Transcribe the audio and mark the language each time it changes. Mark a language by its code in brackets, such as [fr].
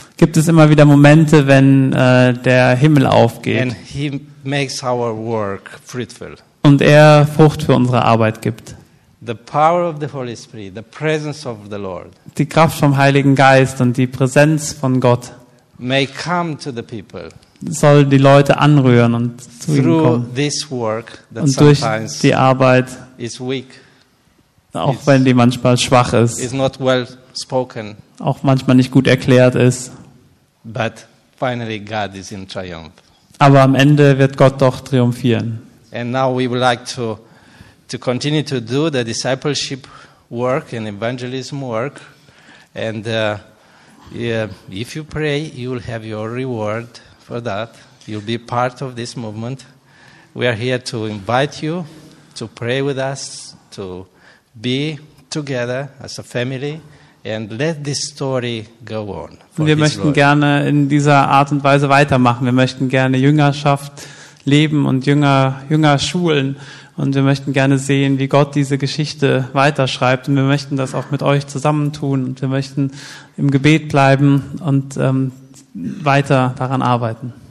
[de] Gibt es immer wieder Momente, wenn der Himmel aufgeht. [en] And he makes our work fruitful. [de] Und er Frucht für unsere Arbeit gibt. [en] The power of the Holy Spirit, the presence of the Lord. [de] Die Kraft vom Heiligen Geist und die Präsenz von Gott. [en] May come to the people. [de] Soll die Leute anrühren und zu [en] through [de] ihnen kommen. [en] This work that [de] und durch die Arbeit [en] is weak. [de] Auch wenn die manchmal schwach ist. [en] Is not well spoken. [de] Auch manchmal nicht gut erklärt ist. [en] But finally God is in triumph. [de] Aber am Ende wird Gott doch triumphieren. [en] And now we would like to continue to do the discipleship work and evangelism work. And if you pray, you will have your reward for that. You'll be part of this movement. We are here to invite you to pray with us, to be together as a family. And let this story go on. [de] Wir möchten gerne in dieser Art und Weise weitermachen. Wir möchten gerne Jüngerschaft leben und Jünger schulen. Und wir möchten gerne sehen, wie Gott diese Geschichte weiterschreibt. Und wir möchten das auch mit euch zusammentun. Und wir möchten im Gebet bleiben und weiter daran arbeiten.